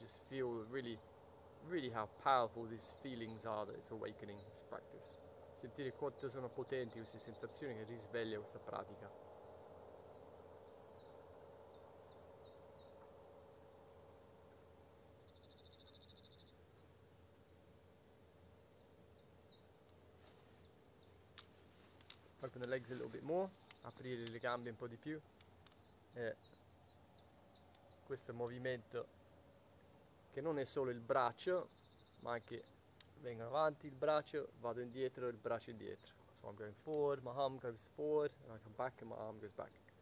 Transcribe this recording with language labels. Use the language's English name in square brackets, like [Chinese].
[English] Just feel really, really how powerful these feelings are that it's awakening this practice. [Italian] Sentire quanto sono potenti queste sensazioni che risveglia questa pratica. [English] Open the legs a little bit more, [Italian] aprire le gambe un po' di più. Questo movimento che non è solo il braccio, ma anche vengo avanti il braccio, vado indietro, il braccio indietro. [English] So I'm going forward, my arm goes forward, and I come back and my arm goes back.